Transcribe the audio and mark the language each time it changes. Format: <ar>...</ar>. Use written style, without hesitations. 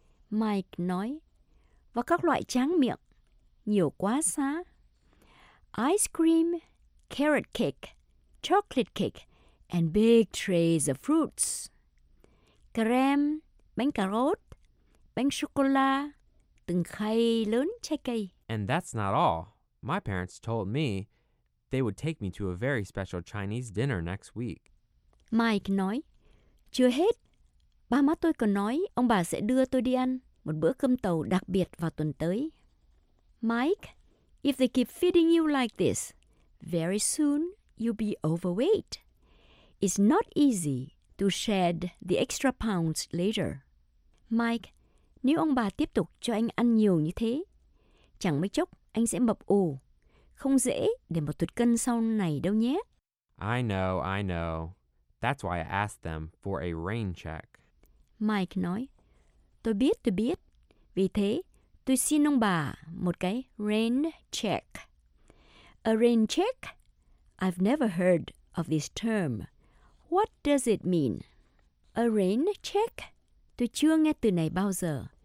<vi>Mike nói. Và các loại tráng miệng. Nhiều quá xá.</vi> <en>Ice cream, carrot cake, chocolate cake, and big trays of fruits.</en> <vi>Kem, bánh cà rốt, bánh sô-cô-la, từng khay lớn trái cây.</vi> <en>And that's not all. My parents told me they would take me to a very special Chinese dinner next week.</en> <vi>Mike nói, chưa hết, ba má tôi còn nói ông bà sẽ đưa tôi đi ăn một bữa cơm tàu đặc biệt vào tuần tới.</vi> <en>Mike, if they keep feeding you like this, very soon you'll be overweight. It's not easy to shed the extra pounds later.</en> <vi>Mike, nếu ông bà tiếp tục cho anh ăn nhiều như thế, chẳng mấy chốc anh sẽ mập ù. Không dễ để mà tụt cân sau này đâu nhé.</vi> <en>I know, that's why I asked them for a rain check.</en> <vi>Mike nói, tôi biết, vì thế. Tôi xin ông bà một cái rain check.</vi> <en>A rain check? I've never heard of this term. What does it mean? A rain check?</en> <vi>Tôi chưa nghe từ này bao giờ.</vi>